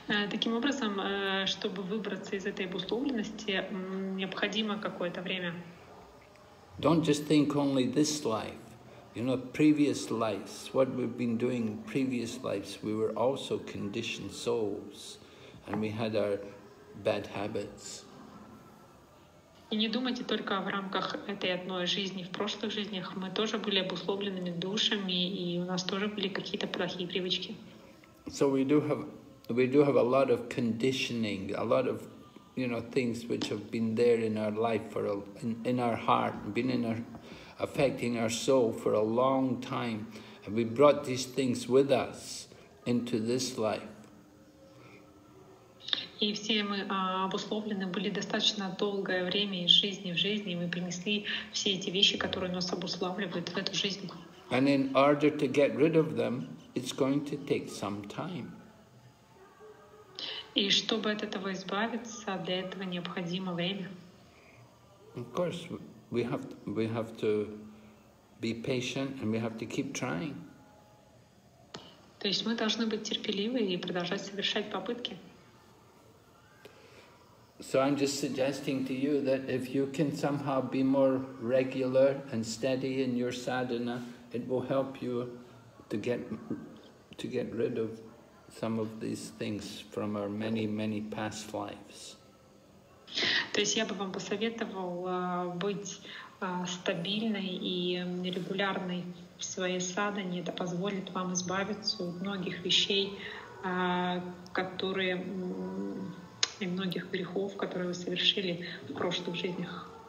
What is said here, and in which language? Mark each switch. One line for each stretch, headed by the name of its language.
Russian: Таким образом, чтобы выбраться из этой обусловленности, необходимо какое-то время.
English: Don't just think only this life. You know, previous lives, what we've been doing in previous lives, we were also conditioned souls. And we had our bad habits.
Russian: И не думайте только в рамках этой одной жизни. В прошлых жизнях мы тоже были обусловленными душами, и у нас тоже были какие-то плохие привычки.
English: So we do have a lot of conditioning, a lot of, you know, things which have been there in our life for in our heart, been in our affecting our soul for a long time, and we brought these things with us into this life.
Russian: И все мы обусловлены были достаточно долгое время из жизни в жизни, и мы принесли все эти вещи, которые нас обуславливают в эту жизнь.
English: And in order to get rid of them, it's going to take some time.
Russian: И чтобы от этого избавиться, для этого необходимо время.
English: Of course, we have to be patient and we have to keep trying.
Russian: То есть мы должны быть терпеливы и продолжать совершать попытки.
English: So I'm just suggesting to you that if you can somehow be more regular and steady in your sadhana, it will help you to get rid of some of these things from our many, many past lives.
Russian: То есть я бы вам посоветовал быть стабильной и регулярной в своей садхане. Это позволит вам избавиться от многих вещей, которые и многих грехов, которые вы совершили в прошлых жизнях.